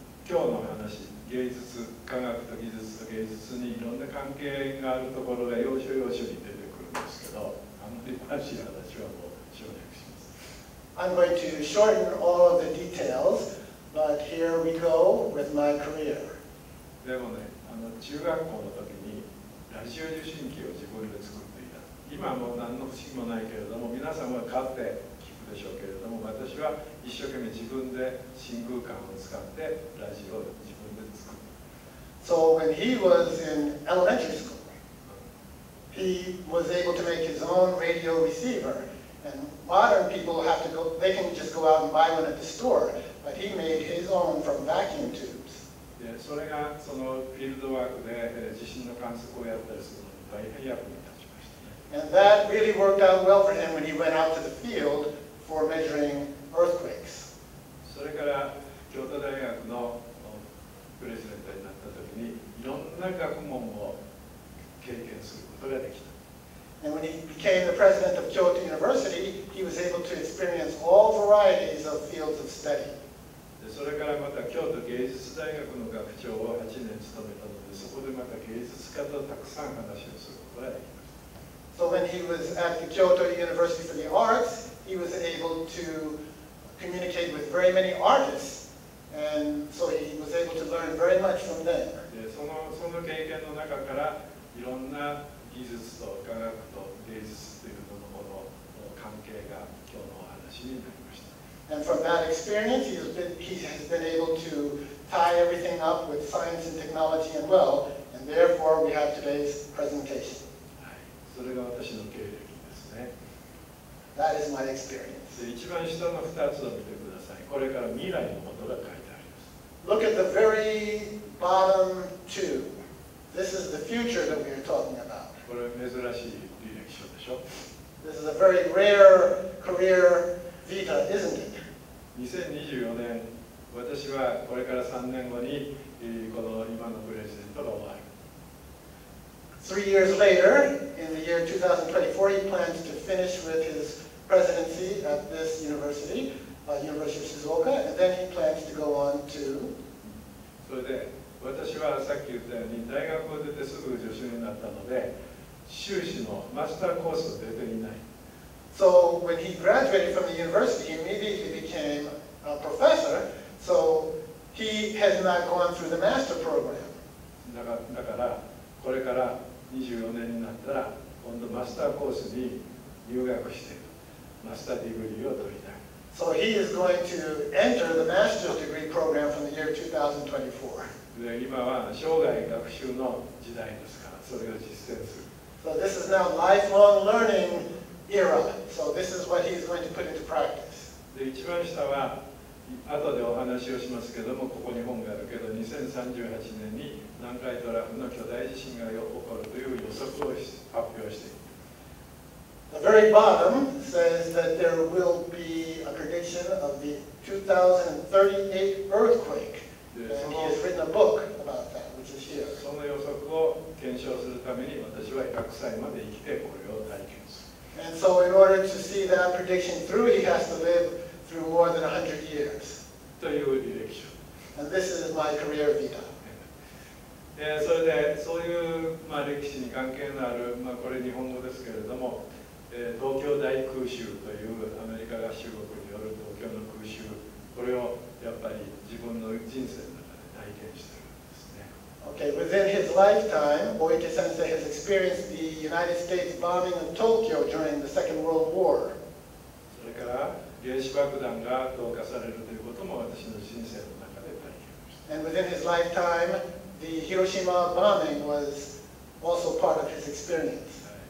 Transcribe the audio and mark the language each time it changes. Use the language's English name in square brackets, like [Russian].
[Japanese] 今日の話、芸術、科学と技術と芸術にいろんな関係があるところが要所要所に出てくるんですけど、あまり詳しい話はもう省略します。 [English] I'm going to shorten all of the details, but here we go with my career. [Japanese] でもね、中学校の時にラジオ受信機を自分で作っていた。今はもう何の不思議もないけれども、皆さんは買って、でしょうけれども、私は一生懸命自分で真空管を使ってラジオを自分で作る。 [English] So when he was in elementary school, he was able to make his own radio receiver. And modern people have to go; they can just go out and buy one at the store. But he made his own from vacuum tubes. [Japanese] で、それがそのフィールドワークで地震の観測をやったりするのに大変役に立ちました。 [English] And that really worked out well for him when he went out to the field. For measuring earthquakes. [Japanese] それから京都大学のプレゼンターになったときに、いろんな学問を経験することができた。 [English] And when he became the president of Kyoto University, he was able to experience all varieties of fields of study. [Japanese] で、それからまた京都芸術大学の学長を8年務めたので、そこでまた芸術家とたくさん話をすることができた。 [English] So when he was at the Kyoto University for the Arts,He was able to communicate with very many artists, and so he was able to learn very much from them. [Japanese] で、その経験の中からいろんな技術と科学と芸術というもののの関係が今日のお話になりました。 [English] And from that experience, he has been able to tie everything up with science and technology and well, and therefore we have today's presentation. [Japanese] はい、それが私の経歴ですね。 [English] That is my experience. [Japanese] 一番下の2つを見てください。これから未来のことが書いてあります。 [English] Look at the very bottom two. This is the future that we are talking about. [Japanese] これは珍しい履歴書でしょ。 [English] This is a very rare career vita, isn't it? [Japanese] 2024年、私はこれから3年後にこの今のプレゼントが終わる。 [English] Three years later, in the year 2024, he plans to finish with his presidency at this university, University of Shizuoka, and then he plans to go on to... [Japanese] それで、私はさっき言ったように、大学を出てすぐ助手になったので、修士のマスターコースを出ていない。 [English] So, when he graduated from the university, he immediately became a professor, so he has not gone through the master program. [Japanese] だからこれから24年になったら、今度マスターコースに入学して、マスターディグリーを取りたい。 [English] So he is going to enter the master's degree program from the year 2024. [Japanese] で、今は生涯学習の時代ですから、それを実践する。 [English] So this is now lifelong learning era. So this is what he is going to put into practice. [Japanese] で、一番下は、後でお話をしますけども、ここに本があるけど、2038年に南海トラフの巨大地震が起こるという予測を発表している。 [English] The very bottom says that there will be a prediction of the 2038 earthquake. And he has written a book about that, which is here. [Japanese] その予測を検証するために、私は100歳まで生きてこれを体験する。 [English] And so in order to see that prediction through, he has to live through more than 100 years. [Japanese] という履歴書。 [English] And this is my career vita. [Japanese] それで、そういう、まあ、歴史に関係のある、まあ、これ日本語ですけれども、東京大空襲というアメリカ合衆国による東京の空襲、これをやっぱり自分の人生の中で体験しているんですね。 [English] Okay, within his lifetime, Oike sensei has experienced the United States bombing of Tokyo during the Second World War. [Japanese] それから、原子爆弾が投下されるということも私の人生の中で体験しています。 [English] And within his lifetime,The Hiroshima bombing was also part of his experience.